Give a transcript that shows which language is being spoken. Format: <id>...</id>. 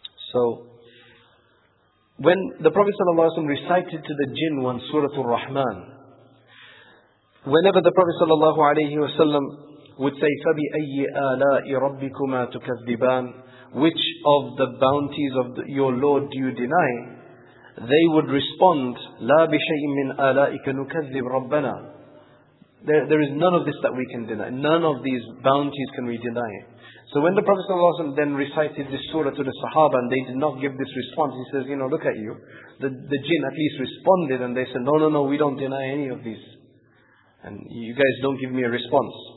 <en>So, when the Prophet ﷺ recited to the jinn one Surah Ar-Rahman, whenever the Prophet ﷺ would say,</en> <ar>فَبِأَيِّ آلَاءِ رَبِّكُمَا تُكَذِّبَانِ,</ar> <en>which of the bounties of your Lord do you deny? They would respond,</en> <ar>لَا بِشَيْءٍ مِّنْ آلَائِكَ نُكَذِّبْ رَبَّنَا.</ar> <en>There is none of this that we can deny. None of these bounties can we deny. So when the Prophet ﷺ then recited this surah to the Sahaba and they did not give this response, he says, you know, look at you. The jinn at least responded and they said, no, we don't deny any of these. And you guys don't give me a response.</en>